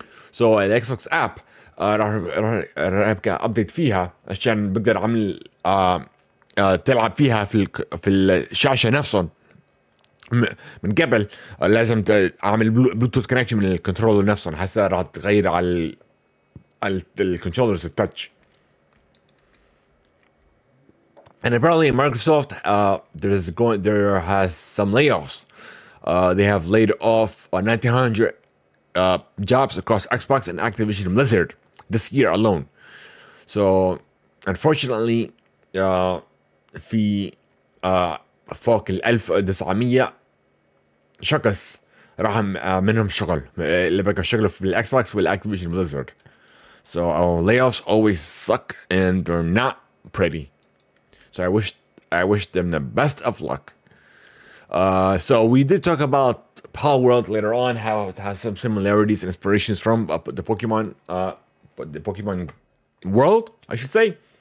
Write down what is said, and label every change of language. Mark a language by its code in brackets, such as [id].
[en] So the Xbox app [ar] راح يبقى update فيها عشان بقدر اعمل تلعب فيها في الشاشة نفسه من قبل لازم اعمل Bluetooth connection من الكنترولر نفسه حتى راح تغير على الكنترولرز التاتش. [en] And apparently in Microsoft there has some layoffs. They have laid off 1900 jobs across Xbox and Activision Blizzard this year alone. So, unfortunately, [ar] في فوق الألف وتسعمية شخص راح منهم شغل اللي بقى شغل في الأكس بوكس والأكتيفيشن بليزرد. [en] So our layoffs always suck and they're not pretty. So I wish them the best of luck. So we did talk about Palworld World later on, how it has some similarities and inspirations from the Pokemon world, I should say.